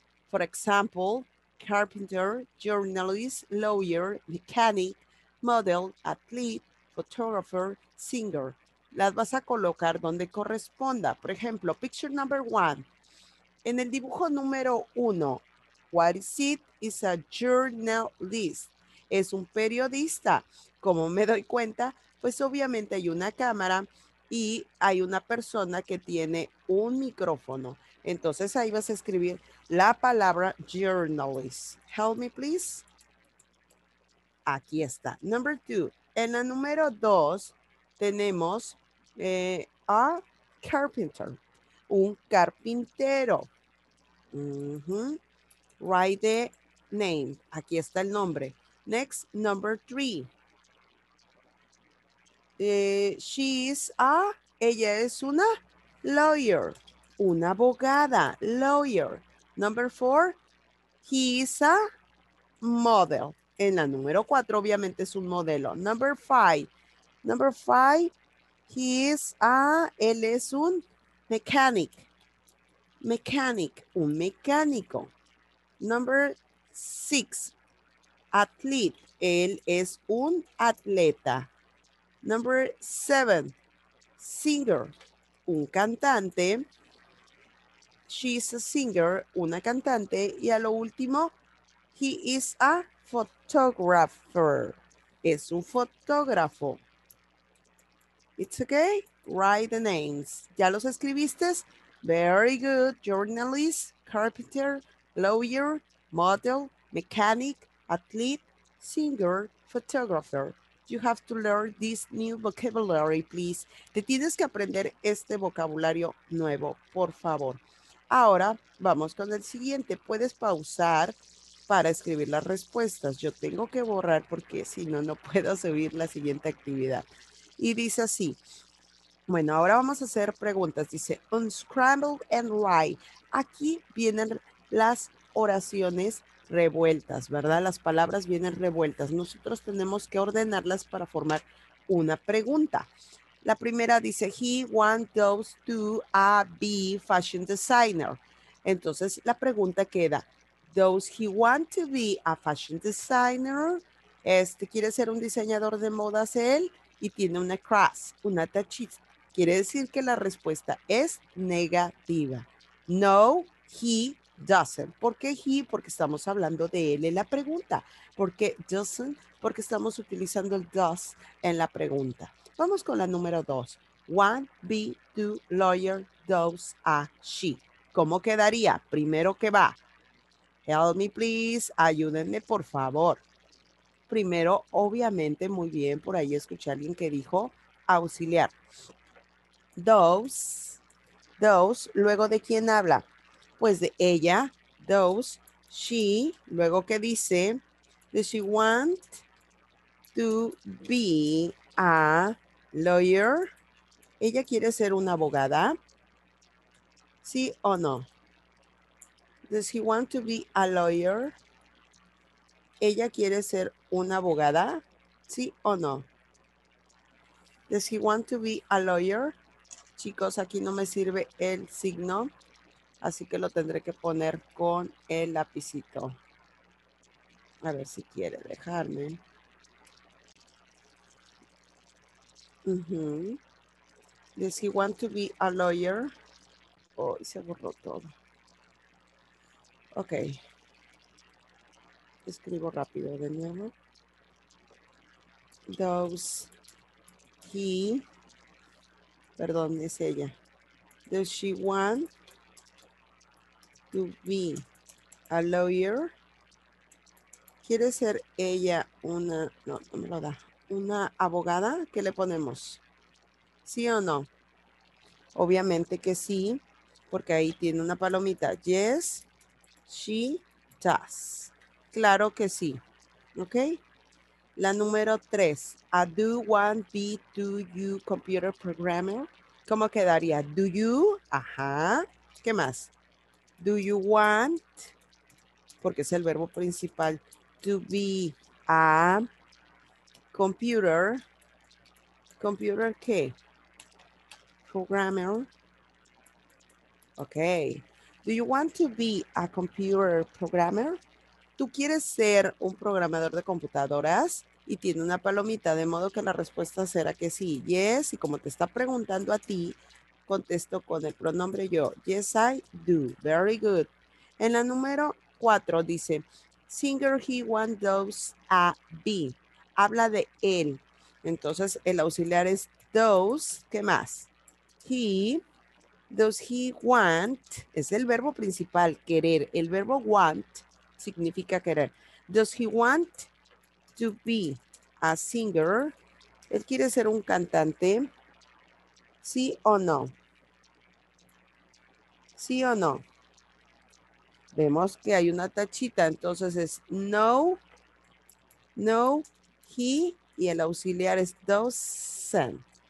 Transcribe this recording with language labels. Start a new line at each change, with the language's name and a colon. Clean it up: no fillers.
English: For example, carpenter, journalist, lawyer, mechanic, model, athlete, photographer, singer.
Spanish: Las vas a colocar donde corresponda. Por ejemplo,
English: picture number one.
Spanish: En el dibujo número uno,
English: what is it? It's a journalist.
Spanish: Es un periodista. Como me doy cuenta, Pues obviamente hay una cámara y hay una persona que tiene un micrófono. Entonces ahí vas a escribir la palabra journalist.
English: Help me, please.
Spanish: Aquí está.
English: Number two.
Spanish: En la número dos tenemos a carpenter, un carpintero.
English: Write the name.
Spanish: Aquí está el nombre.
English: Next, number three. She is a,
Spanish: ella es una lawyer, una abogada, lawyer.
English: Number four, he is a model.
Spanish: En la número cuatro, obviamente es un modelo.
English: Number five, he is a,
Spanish: él es un mechanic. Mechanic, un mecánico.
English: Number six,
Spanish: athlete, él es un atleta.
English: Number seven, singer,
Spanish: un cantante.
English: She's a singer,
Spanish: una cantante. Y a lo último,
English: he is a photographer.
Spanish: Es un fotógrafo.
English: It's okay. Write the names.
Spanish: ¿Ya los escribiste?
English: Very good. Journalist, carpenter, lawyer, model, mechanic, athlete, singer, photographer. You have to learn this new vocabulary, please.
Spanish: Te tienes que aprender este vocabulario nuevo, por favor. Ahora vamos con el siguiente. Puedes pausar para escribir las respuestas. Yo tengo que borrar porque si no, no puedo subir la siguiente actividad. Y dice así. Bueno, ahora vamos a hacer preguntas. Dice,
English: unscramble and write.
Spanish: Aquí vienen las oraciones revueltas, ¿verdad? Las palabras vienen revueltas. Nosotros tenemos que ordenarlas para formar una pregunta. La primera dice,
English: he wants those to a be fashion designer.
Spanish: Entonces, la pregunta queda,
English: does he want to be a fashion designer?
Spanish: ¿Quiere ser un diseñador de modas él? Y tiene una crush, una tachita. Quiere decir que la respuesta es negativa.
English: No, he doesn't.
Spanish: ¿Por qué he? Porque estamos hablando de él en la pregunta. ¿Por qué doesn't? Porque estamos utilizando el does en la pregunta. Vamos con la número dos.
English: One, be, two, lawyer, does, a, she.
Spanish: ¿Cómo quedaría? Primero que va.
English: Help me, please.
Spanish: Ayúdenme, por favor. Primero, obviamente, muy bien, por ahí escuché a alguien que dijo auxiliar. Those, luego de quién habla, pues de ella, those, she, luego qué dice,
English: does she want to be a lawyer?
Spanish: ¿Ella quiere ser una abogada? ¿Sí o no?
English: Does he want to be a lawyer?
Spanish: ¿Ella quiere ser una abogada? ¿Sí o no?
English: Does he want to be a lawyer?
Spanish: Chicos, aquí no me sirve el signo, así que lo tendré que poner con el lapicito. A ver si quiere dejarme.
English: Does he want to be a lawyer?
Spanish: Oh, se borró todo. Ok. Escribo rápido de nuevo.
English: Does he,
Spanish: perdón, es ella.
English: Does she want to be a lawyer?
Spanish: ¿Quiere ser ella una, no, no me lo da, una abogada? ¿Qué le ponemos? ¿Sí o no? Obviamente que sí, porque ahí tiene una palomita.
English: Yes, she does.
Spanish: Claro que sí.
English: ¿Ok?
Spanish: La número tres.
English: A do one be to you computer programmer.
Spanish: ¿Cómo quedaría?
English: Do you?
Spanish: Ajá. ¿Qué más?
English: Do you want?
Spanish: Porque es el verbo principal.
English: To be a computer. ¿Computer qué? Programmer. Ok. Do you want to be a computer programmer?
Spanish: ¿Tú quieres ser un programador de computadoras? Y tiene una palomita, de modo que la respuesta será que sí, yes. Y como te está preguntando a ti, contesto con el pronombre yo.
English: Yes, I do. Very good.
Spanish: En la número cuatro dice,
English: singer he wants those a be.
Spanish: Habla de él. Entonces, el auxiliar es does. ¿Qué más? He.
English: Does he want?
Spanish: Es el verbo principal, querer. El verbo want significa querer.
English: Does he want to be a singer?
Spanish: ¿Él quiere ser un cantante? ¿Sí o no? ¿Sí o no? Vemos que hay una tachita. Entonces es no, no, he, y el auxiliar es doesn't.